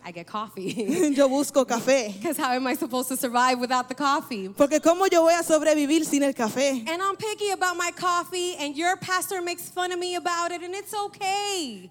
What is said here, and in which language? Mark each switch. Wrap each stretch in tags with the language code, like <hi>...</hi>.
<en>I get coffee.</en> <es>Yo busco café.</es> <en>Because how am I supposed to survive without the coffee?</en> <es>Porque ¿cómo yo voy a sobrevivir sin el café?</es> <en>And I'm picky about my coffee and your pastor makes fun of me about it and it's okay.</en>